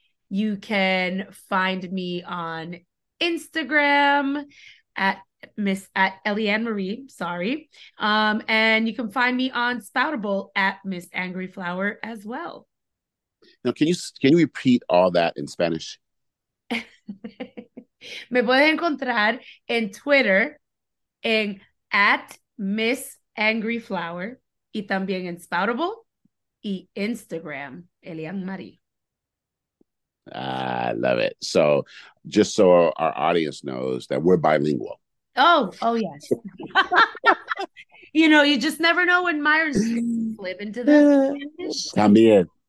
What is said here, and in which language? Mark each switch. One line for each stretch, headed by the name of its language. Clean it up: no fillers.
English: You can find me on Instagram at Eliann Marie, sorry. And you can find me on Spoutable at Miss Angry Flower as well. Now, can you repeat all that in Spanish?
Spanish: Me puedes encontrar en Twitter en at Miss Angry Flower y también en Spoutable y Instagram, Eliann Marie.
English: I love it. So just so our audience knows that we're bilingual. Oh yes. You know, you just never know when Myers slip into the
Spanish: también.